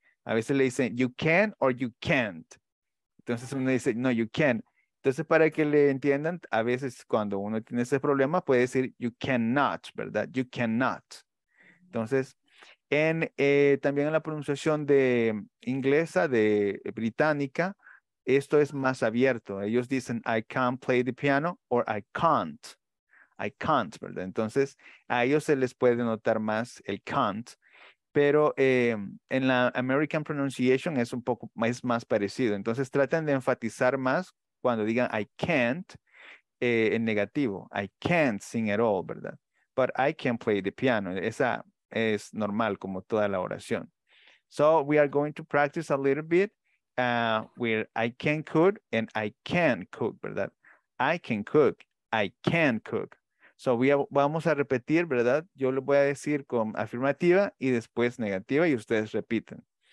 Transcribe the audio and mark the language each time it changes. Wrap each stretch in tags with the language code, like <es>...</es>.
<es>A veces le dicen</es> <en>you can or you can't.</en> <es>Entonces uno dice</es> <en>no, you can.</en> <es>Entonces para que le entiendan, a veces cuando uno tiene ese problema puede decir</es> <en>you cannot,</en> <es>¿verdad?</es> <en>You cannot.</en> <es>Entonces también en la pronunciación de inglesa, de británica, esto es más abierto. Ellos dicen</es> <en>I can't play the piano or I can't. I can't, ¿verdad?</en> <es>Entonces, a ellos se les puede notar más el can't, pero en la American pronunciation es un poco más, parecido. Entonces, traten de enfatizar más cuando digan</es> <en>I can't</en> <es>en negativo.</es> <en>I can't sing at all, ¿verdad? But I can play the piano.</en> <es>Esa es normal, como toda la oración.</es> <en>So, we are going to practice a little bit where I can cook and I can cook, ¿verdad? I can cook. I can cook. So</en> <es>vamos a repetir, ¿verdad? Yo lo voy a decir con afirmativa y después negativa y ustedes repiten.</es>